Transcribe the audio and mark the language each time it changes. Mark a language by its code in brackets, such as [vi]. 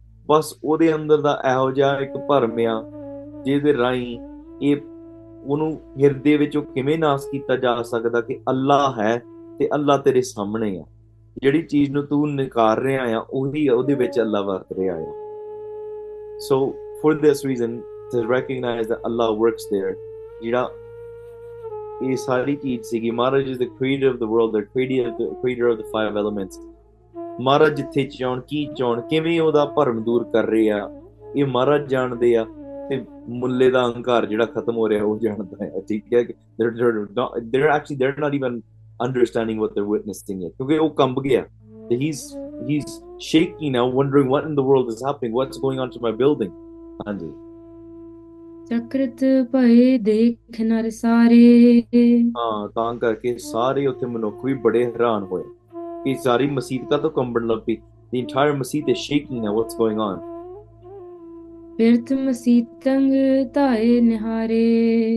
[pa] ਬਸ ਉਹਦੇ ਅੰਦਰ ਦਾ ਇਹੋ ਜਿਹਾ ਇੱਕ ਭਰਮ ਆ, ਜਿਹਦੇ ਰਾਹੀਂ ਇਹ ਉਹਨੂੰ ਹਿਰਦੇ ਵਿੱਚੋਂ ਕਿਵੇਂ ਨਾਸ ਕੀਤਾ ਜਾ ਸਕਦਾ, ਕਿ ਅੱਲਾ ਹੈ ਤੇ ਅੱਲਾ ਤੇਰੇ ਸਾਹਮਣੇ ਆ, ਜਿਹੜੀ ਚੀਜ਼ ਨੂੰ ਤੂੰ ਨਕਾਰ ਰਿਹਾ ਆ ਉਹੀ ਉਹਦੇ ਵਿੱਚ ਅੱਲਾ ਵਰਤ ਰਿਹਾ ਆ. [en] So for this reason, to recognize that Allah works there, [pa] jira ye sari cheez sigi, [en] Maharaj is the creator of the world, the creator of the five elements. [pa] ਮਹਾਰਾਜ ਜਿੱਥੇ ਚਾਉਣ ਕੀ ਚਾਉਣ ਕਿਵੇ ਓਦਾ ਭਰਮ ਦੂਰ ਕਰ ਰਹੇ ਆ, ਯੇ ਮਹਾਰਾਜ ਜਾਂਦੇ ਆ, ਤੇ ਮੁੱਲੇ ਦਾ ਅਹੰਕਾਰ ਜਿਰਾ ਖਤਮ ਹੋ ਰਹੇ ਆ ਓਹ ਜਾਂਦਾ ਆ, ਠੀਕ ਹੈ? [en] They're not even understanding what they're witnessing yet, [pa] kyunki oh kamb gaya. [en] He's shaking now, wondering what in the world is happening, what's going on to my building. Anji. [pa] ਚਕ੍ਰਿਤ ਭਏ ਦੇਖ ਨਰ ਸਾਰੇ ਹਾਂ, ਤਾਂ ਕਰਕੇ ਸਾਰੇ ਉੱਥੇ ਮਨੁੱਖ ਵੀ ਬੜੇ ਹੈਰਾਨ ਹੋਏ ਕਿ ਸਾਰੀ ਮਸੀਤ ਕਾ ਤੋਂ ਕੰਬਣ ਲੱਗ ਪਈ. [en] The entire masit is shaking now, what's going on? [pa] ਬਿਰਤ ਮਸੀਤੰਗ ਧਾਏ ਨਿਹਾਰੇ